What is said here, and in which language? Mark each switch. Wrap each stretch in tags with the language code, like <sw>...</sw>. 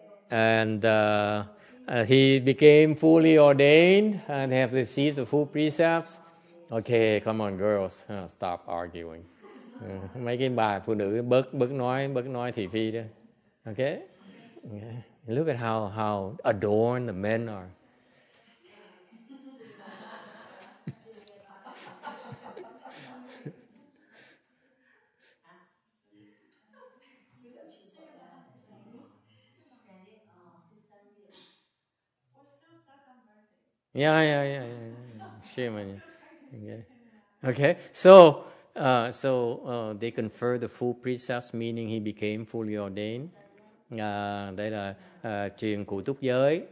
<en>And he became fully ordained and have received the full precepts. Okay, come on girls, stop arguing.</en> <vi>Mấy cái bà phụ nữ bớt nói thị phi đi.</vi> <en>Okay. Look at how adorned the men are. Yeah. Shame on you. Okay. So they confer the full precepts, meaning he became fully ordained.</en> <vi>Đây là truyền cụ túc giới.</vi>